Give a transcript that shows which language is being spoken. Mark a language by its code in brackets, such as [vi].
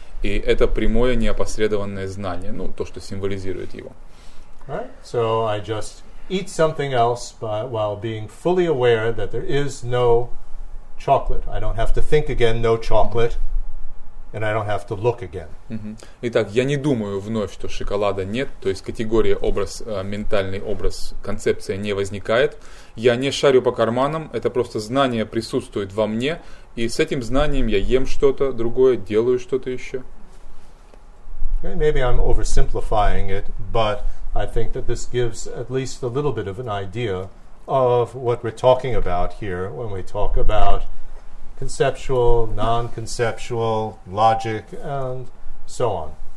[ru] И это прямое неопосредованное знание, ну, то, что символизирует его. [en] Right. So I just eat something else, but while being fully aware that there is no chocolate. I don't have to think again, no chocolate, and I don't have to look again. [ru] Итак, я не думаю вновь, что шоколада нет, то есть категория, образ, ментальный образ, концепция не возникает. Я не шарю по карманам, это просто знание присутствует во мне, и с этим знанием я ем что-то другое, делаю что-то еще. [en] Okay, maybe I'm oversimplifying it, but I think that this gives at least a little bit of an idea of what we're talking about here when we talk about conceptual, non-conceptual, logic, and so on.